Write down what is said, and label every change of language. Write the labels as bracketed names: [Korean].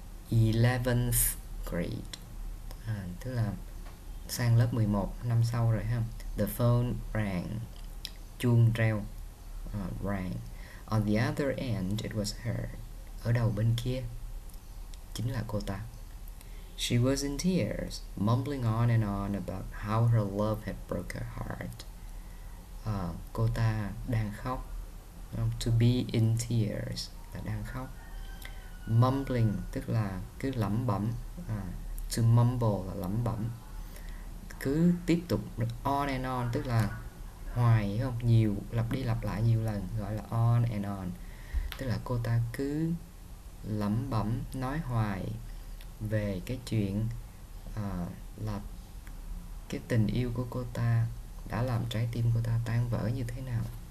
[Vietnamese] 11th grade, tức là sang lớp 11, năm sau rồi ha. [English] The phone rang, [Vietnamese] chuông reo, [English] rang. On the other end, it was her. [Vietnamese] Ở đầu bên kia, chính là cô ta. [English] She was in tears, mumbling on and on about how her love had broke her heart. [Vietnamese] Cô ta đang khóc. To be in tears là đang khóc. Mumbling tức là cứ lẩm bẩm. To mumble là lẩm bẩm. Cứ tiếp tục on and on tức là hoài, không, nhiều, lặp đi lặp lại nhiều lần, gọi là on and on, tức là cô ta cứ lẩm bẩm nói hoài về cái chuyện là cái tình yêu của cô ta đã làm trái tim cô ta tan vỡ như thế nào.